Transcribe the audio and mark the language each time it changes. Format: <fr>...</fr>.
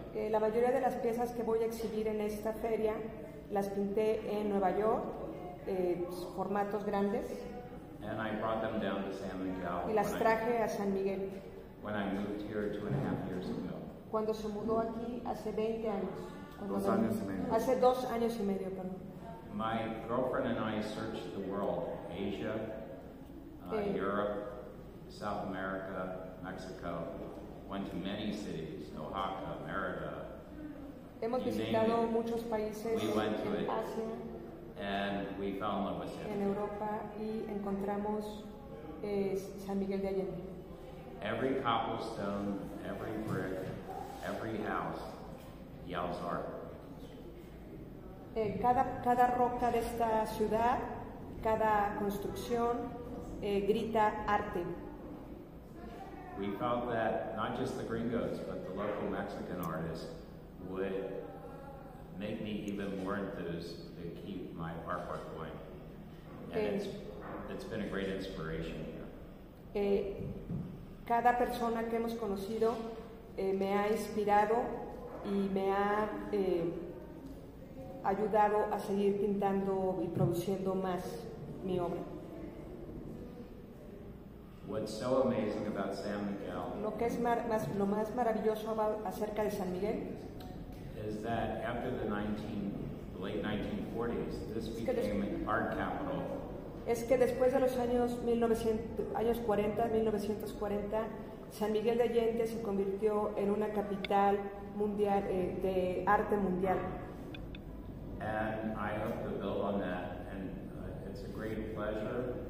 <es>La mayoría de las piezas que voy a exhibir en esta feria las pinté en Nueva York, formatos grandes,</es> <en>and I brought them down to San Miguel,</en> <es>y las traje a San Miguel</es> <en>when I moved here 2.5 years ago.</en> <es>Cuando se mudó aquí hace 20 años. Hace 2 años y medio, perdón.</es> <en>My girlfriend and I searched the world, Asia, Europe, South America, Mexico. Went to many cities, Oaxaca, Merida.</en> <es>Hemos visitado muchos países.</es> <en>We went to it, Asia, and we fell in love with it.</en> <es>En Europa y encontramos San Miguel de Allende.</es> <en>Every cobblestone, every brick, every house yells art.</en> <es>Cada roca de esta ciudad, cada construcción grita arte.</es> <en>We felt that not just the gringos, but the local Mexican artists would make me even more enthused to keep my artwork going. And it's been a great inspiration here.</en> <es>Cada persona que hemos conocido me ha inspirado y me ha ayudado a seguir pintando y produciendo más mi obra.</es> <en>What's so amazing about San Miguel?</en> <es>Lo más maravilloso acerca de San Miguel</es> <en>is that after the late 1940s, this became an art capital.</en> <es>Es que después de los años 1940, San Miguel de Allende se convirtió en una capital mundial de arte mundial.</es> <en>And I hope to build on that, and it's a great pleasure.</en>